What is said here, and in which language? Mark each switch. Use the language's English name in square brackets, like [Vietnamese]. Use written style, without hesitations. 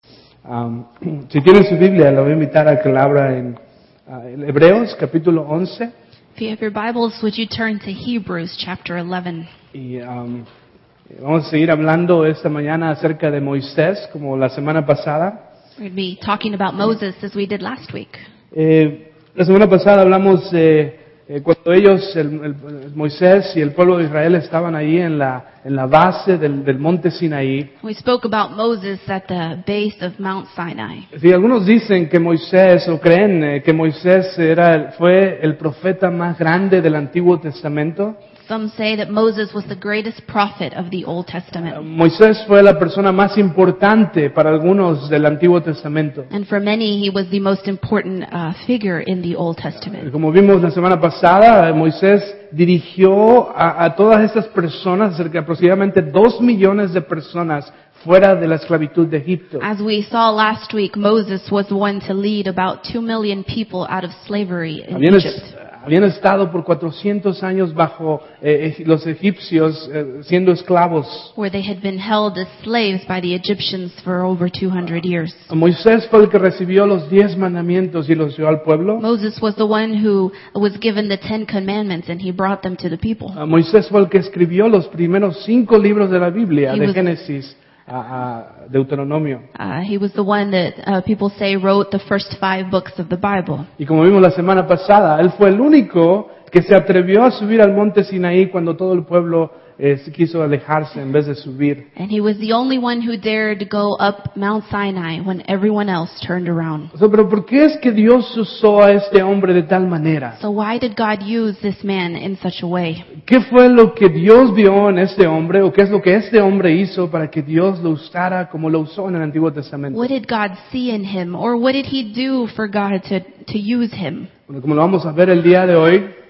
[Spanish] Si tienen su Biblia, la voy a invitar a que la abra en Hebreos, capítulo 11. [English] If you have your Bibles, would you turn to Hebrews, chapter 11? [Spanish] Y vamos a seguir hablando esta mañana acerca de Moisés, como la semana pasada. [English] We're going to be talking about Moses, as we did last week. [Spanish] La semana pasada hablamos de cuando ellos, el Moisés y el pueblo de Israel estaban ahí en la base del monte Sinaí. [English] We spoke about Moses at the base of Mount Sinai. [Spanish] Sí, algunos dicen que Moisés, o creen que Moisés fue el profeta más grande del Antiguo Testamento. [English] Some say that Moses was the greatest prophet of the Old Testament. [Spanish] Moisés fue la persona más importante para algunos del Antiguo Testamento. [English] And for many, he was the most important figure in the Old Testament. [Spanish] Como vimos la semana pasada, Moisés dirigió a todas estas personas, cerca aproximadamente 2 millones de personas, fuera de la esclavitud de Egipto. [English] As we saw last week, Moses was one to lead about 2 million people out of slavery in Egypt. [Spanish] Habían estado por 400 años bajo los egipcios siendo esclavos. [English] Where they had been held as slaves by the Egyptians for over 200 years. [Spanish] Moisés fue el que recibió los 10 mandamientos y los dio al pueblo. [English] Moses was the one who was given the 10 commandments and he brought them to the people. [Spanish] Moisés fue el que escribió los primeros 5 libros de la Biblia, de Génesis a Deuteronomio. [English] He was the one that people say wrote the first 5 books of the Bible. [Spanish] Y como vimos la semana pasada, él fue el único que se atrevió a subir al monte Sinaí cuando todo el pueblo quiso alejarse en vez de subir. [English] And he was the only one who dared to go up Mount Sinai when everyone else turned around. [Spanish] So, pero ¿por qué es que Dios usó a este hombre de tal manera? [English] So why did God use this man in such a way? [Spanish] ¿Qué fue lo que Dios vio en este hombre o qué es lo que este hombre hizo para que Dios lo usara como lo usó en el Antiguo Testamento? [English] What did God see in him or what did he do for God to use him? [Spanish] Bueno, como lo vamos a ver el día de hoy,